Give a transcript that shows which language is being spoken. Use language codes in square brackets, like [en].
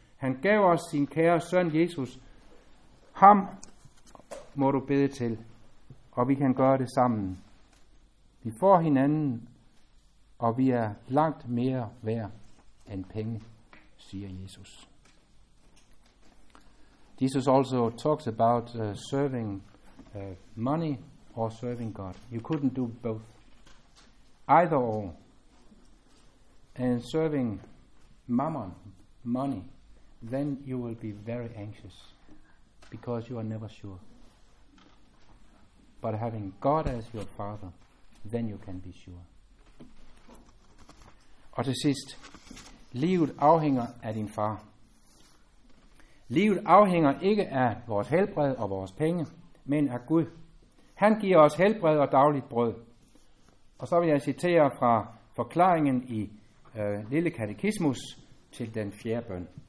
[da] Han gav os sin kære søn Jesus. Ham må du bede til, og vi kan gøre det sammen. Vi får hinanden, og vi er langt mere værd end penge, siger Jesus. [en] Jesus also talks about serving money or serving God. You couldn't do both. Either or. And serving mammon, money, then you will be very anxious because you are never sure. But having God as your father, then you can be sure. [da] Og til sidst, livet afhænger af din far. Livet afhænger ikke af vores helbred og vores penge, men af Gud. Han giver os helbred og dagligt brød. Og så vil jeg citere fra forklaringen i Lille Katekismus til den fjerde bøn.